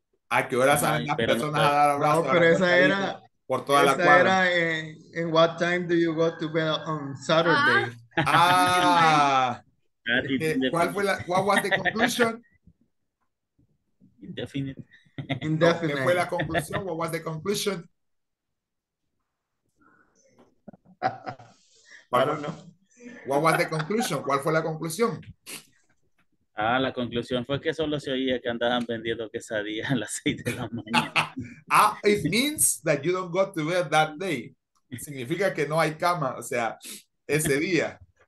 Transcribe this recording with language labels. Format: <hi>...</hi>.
<es>¿A qué hora salen las personas a dar abrazos? No, pero esa era... Por toda esa la cuadra. Era en</es> <en>what time do you go to bed on Saturday? What was the conclusion? Indefinite. Indefinite.</en> <es>¿Qué fue la conclusión?</es> <en>What was the conclusion? What was the conclusion?</en> <es>¿Cuál fue la conclusión? Ah, la conclusión fue que solo se oía que andaban vendiendo quesadillas a las 6 de la mañana.</es> <en>Ah, it means that you don't go to bed that day.</en> <es>Significa que no hay cama, o sea, ese día.</es>